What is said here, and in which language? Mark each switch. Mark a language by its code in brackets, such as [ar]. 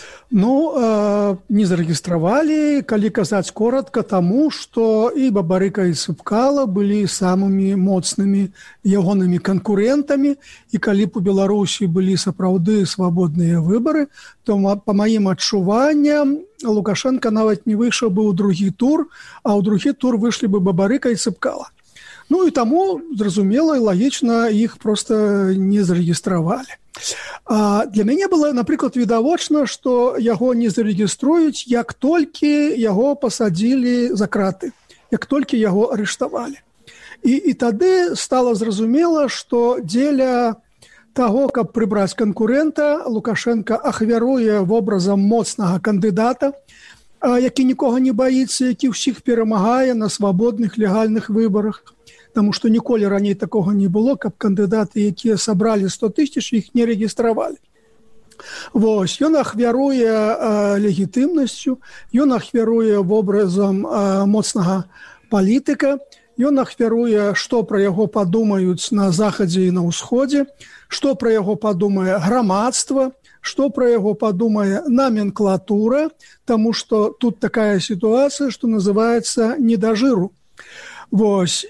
[ru] Ну, не зарегистрировали, коли казать коротко, тому, что и Бабарыка, и Цыпкало были самыми моцными ягонными конкурентами, и коли б у Беларуси были сапраўды свободные выборы, то, по моим отчуваниям, Лукашенко нават не вышел бы у другий тур, а у другий тур вышли бы Бабарыка и Цыпкало. Ну, и тому, зразумело и логично, их просто не зарегистрировали. [be] А для мяне было, наприклад, відавочна, што яго не зарегіструюць, як толькі яго пасадзілі за краты, як толькі яго арыштавалі. І тады стала зразумела, што дзеля таго, каб прыбраць канкурэнта, Лукашэнка ахвяруе вобразам моцнага кандыдата, які нікога не баіцца, які ўсіх перамагае на свабодных легальных выбарах. [ru] Потому что николи ранее такого не было, как кандидаты, которые собрали 100 тысяч, их не регистрировали. Вот, он ахвяруя легитимностью, он ахвяруя в образом моцного политика, он ахвяруя, что про его подумают на Заходе и на Усходе, что про его подумает громадство, что про его подумает номенклатура, потому что тут такая ситуация, что называется «не до жиру». Вось.